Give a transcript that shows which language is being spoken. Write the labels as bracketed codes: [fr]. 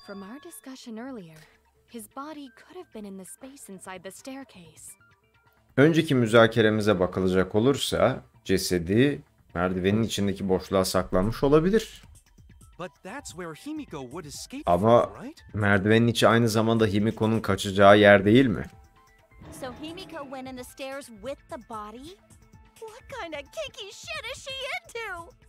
[en] From our discussion earlier, his body could have been in the space inside the staircase. [tr] Önceki müzakeremize bakılacak olursa, cesedi merdivenin içindeki boşluğa saklanmış olabilir. [en] But that's where Himiko would escape. [tr] Ama merdivenin içi aynı zamanda Himiko'nun kaçacağı yer değil mi? [en] So Himiko went in the stairs with the body? What kind of kinky shit is she into?